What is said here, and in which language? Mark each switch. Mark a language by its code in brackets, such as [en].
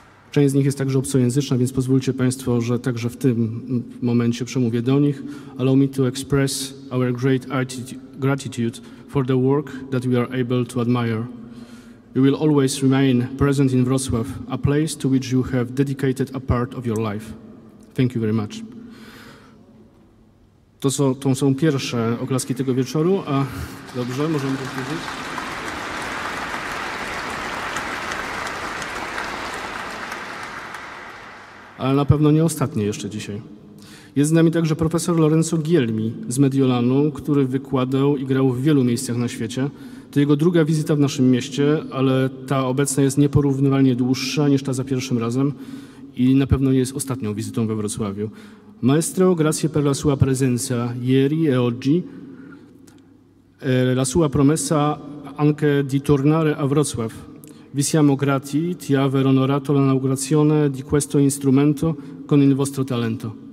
[pl] Część z nich jest także obcojęzyczna, więc pozwólcie Państwo, że także w tym momencie przemówię do nich. [en] Allow me to express our great gratitude for the work that we are able to admire. You will always remain present in Wrocław, a place to which you have dedicated a part of your life. Thank you very much. [pl] To są pierwsze oklaski tego wieczoru, a dobrze, możemy powiedzieć. Ale na pewno nie ostatnie jeszcze dzisiaj. Jest z nami także profesor Lorenzo Gielmi z Mediolanu, który wykładał i grał w wielu miejscach na świecie. To jego druga wizyta w naszym mieście, ale ta obecna jest nieporównywalnie dłuższa niż ta za pierwszym razem i na pewno nie jest ostatnią wizytą we Wrocławiu. [it] Maestro, grazie per la sua presenza ieri e oggi, la sua promessa anche di tornare a Wrocław. Vi siamo grati di aver onorato l'inaugurazione di questo strumento con il vostro talento.